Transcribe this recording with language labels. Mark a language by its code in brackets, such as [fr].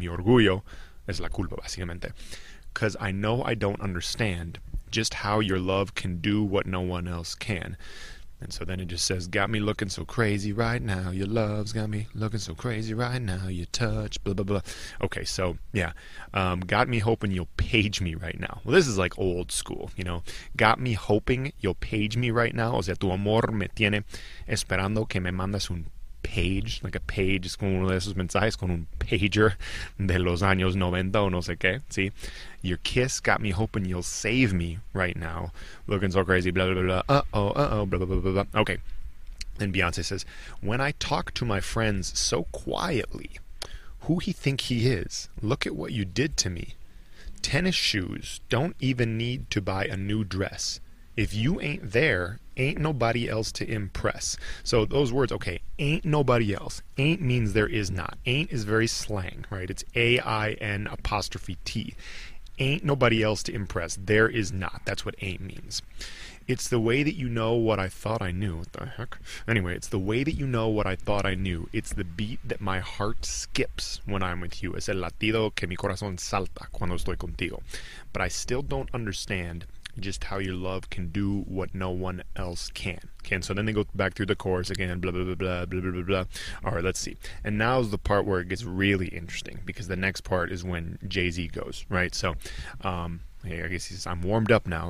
[es] Mi orgullo es la culpa, básicamente. [en] Because I know I don't understand just how your love can do what no one else can. And so then it just says, got me looking so crazy right now. Your love's got me looking so crazy right now. Your touch, blah, blah, blah. Okay, so, yeah. Got me hoping you'll page me right now. Well, this is like old school, you know. Got me hoping you'll page me right now. [es] O sea, tu amor me tiene esperando que me mandes un page, [en] like a page, [es] es como uno de esos mensajes, con un pager de los años 90 o no sé qué, ¿sí? [en] Your kiss got me hoping you'll save me right now. Looking so crazy, blah, blah, blah, blah. Uh-oh, blah, blah, blah, blah, blah. Okay. And Beyonce says, when I talk to my friends so quietly, who he think he is? Look at what you did to me. Tennis shoes, don't even need to buy a new dress. If you ain't there, ain't nobody else to impress. So those words, okay, ain't nobody else. Ain't means there is not. Ain't is very slang, right? It's A-I-N apostrophe T. Ain't nobody else to impress. There is not. That's what ain't means. It's the way that you know what I thought I knew. What the heck? Anyway, it's the way that you know what I thought I knew. It's the beat that my heart skips when I'm with you. [es] Es el latido que mi corazón salta cuando estoy contigo. [en] But I still don't understand just how your love can do what no one else can. Okay, so then they go back through the chorus again, blah, blah, blah, blah, blah, blah, blah, blah. All right, let's see. And now's the part where it gets really interesting, because the next part is when Jay-Z goes, right? So, I guess he says, I'm warmed up now.